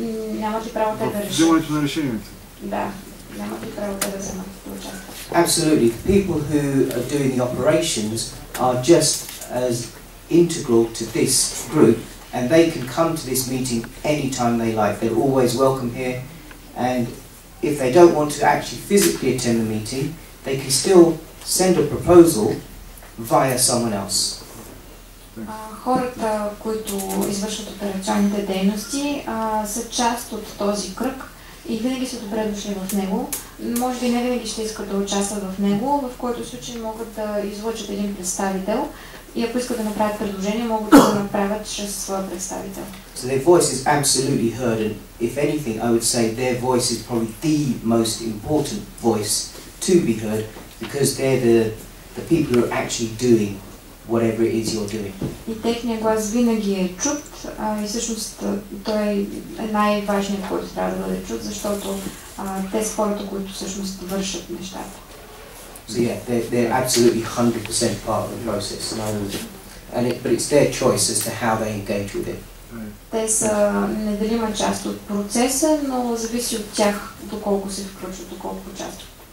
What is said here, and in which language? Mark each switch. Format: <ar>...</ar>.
<bg>Нямат ли право те да решат? Вземането на решението. Да, нямат ли право те да вземат участие?</bg> <en>Absolutely. The people who are doing the operations are just as integral to this group, and they can come to this meeting anytime they like. They're always welcome here, and if they don't want to actually physically attend the meeting, they can still send a proposal via someone else.</en> <bg>Хората, които извършват операционните дейности, са част от този кръг и винаги са добре дошли в него. Може би не винаги ще искат да участват в него, в който случай могат да излъчат един представител и ако искат да направят предложение, могат да го направят чрез своя представител.</bg> <en>So their voice is absolutely heard, and if anything, I would say their voice is probably the most important voice to be heard, because they're the people who are actually doing whatever it is you're doing.</en> <bg>И техният глас винаги е чут, и всъщност той е най-важният, който трябва да бъде чут, защото те са хората, които всъщност вършат нещата.</bg> <en>So yeah, they're absolutely 100% part of the process, but it's their choice as to how they engage with it.</en> <bg>Те са неделима част от процеса, но зависи от тях доколко се включват, доколко участват.</bg>